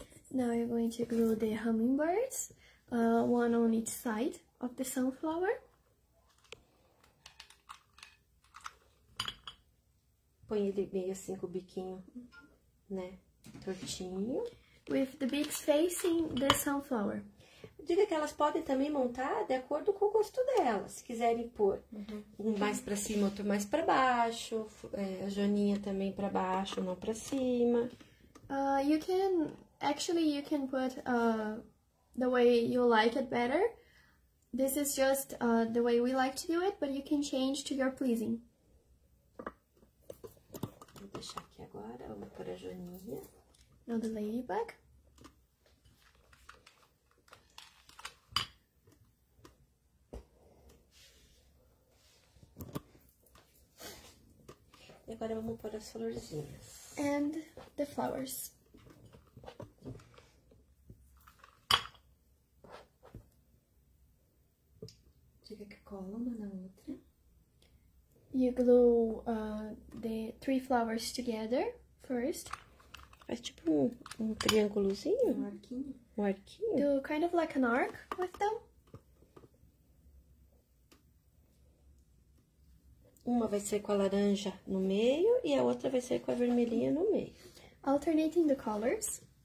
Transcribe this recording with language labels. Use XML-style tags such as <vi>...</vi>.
<en>Now you're going to glue the hummingbirds, one on each side of the sunflower.</en> <pt>Põe ele meio assim com o biquinho, né, tortinho.</pt> <en>With the beaks facing the sunflower.</en> <pt>Diga que elas podem também montar de acordo com o gosto delas, se quiserem pôr um mais pra cima, outro mais pra baixo, a Joaninha também pra baixo, não pra cima.</pt> <en>You can, actually, you can put the way you like it better. This is just the way we like to do it, but you can change to your pleasing.</en> <pt>Vou deixar aqui agora, vou pôr a Joaninha.</pt> <en>Now the ladybug.</en> <pt>E agora vamos pôr as florzinhas.</pt> <en>And the flowers.</en> <pt>Diga que cola uma na outra.</pt> <en>You glue the three flowers together first.</en> <pt>Faz tipo um triângulozinho. Um arquinho. Um arquinho.</pt> <en>Do kind of like an arc with them.</en> <pt>Uma vai ser com a laranja no meio e a outra vai ser com a vermelhinha no meio.</pt> <en>Alternating the colors.</en>